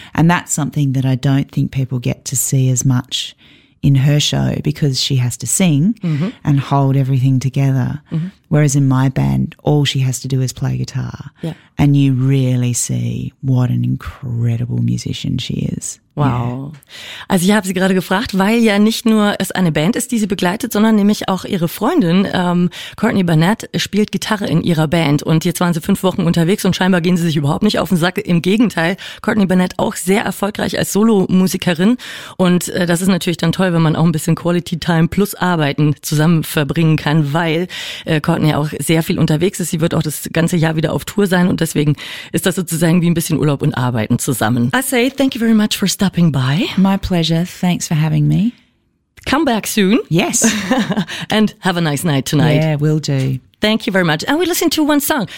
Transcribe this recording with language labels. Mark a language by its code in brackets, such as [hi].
[en] And that's something that I don't think people get to see as much in her show, because she has to sing and hold everything together. Mm-hmm. Whereas in my band, all she has to do is play guitar. Yeah. And you really see what an incredible musician she is. Wow. Yeah. [de] Also ich habe sie gerade gefragt, weil ja nicht nur es eine Band ist, die sie begleitet, sondern nämlich auch ihre Freundin, Courtney Barnett, spielt Gitarre in ihrer Band. Und jetzt waren sie 5 Wochen unterwegs und scheinbar gehen sie sich überhaupt nicht auf den Sack. Im Gegenteil, Courtney Barnett auch sehr erfolgreich als Solomusikerin. Und das ist natürlich dann toll, wenn man auch ein bisschen Quality Time plus Arbeiten zusammen verbringen kann, weil Courtney auch sehr viel unterwegs ist. Sie wird auch das ganze Jahr wieder auf Tour sein und deswegen ist das sozusagen wie ein bisschen Urlaub und Arbeiten zusammen. [en] I say thank you very much for stopping by. My pleasure. Thanks for having me. Come back soon. Yes. And have a nice night tonight. Yeah, will do. Thank you very much. And we listen to one song.